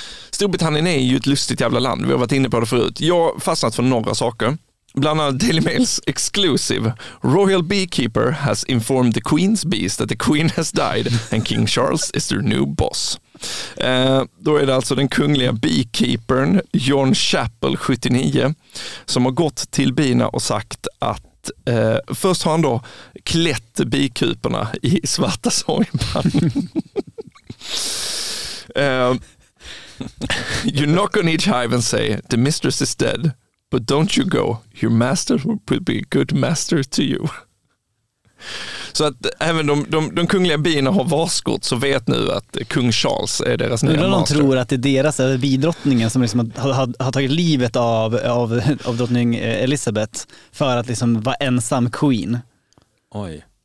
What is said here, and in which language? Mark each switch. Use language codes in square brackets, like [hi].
[sv] Storbritannien är ju ett lustigt jävla land. Vi har varit inne på det förut. Jag har fastnat för några saker. bland annat [en] Daily Mail's exclusive: Royal beekeeper has informed the Queen's bees that the Queen has died and King Charles is their new boss. [sv] Då är det alltså den kungliga beekeepern John Chappell, 79, som har gått till bina och sagt att först har han då klätt bikuporna i svarta sorgband. [en] You knock on each hive and say the mistress is dead, but don't you go, your master will be a good master to you. [sv] Så att även de kungliga bina har varskott, så vet nu att kung Charles är deras nya master. De tror att det är deras bidrottningen som liksom har tagit livet av drottning Elizabeth för att liksom vara ensam queen. Oj.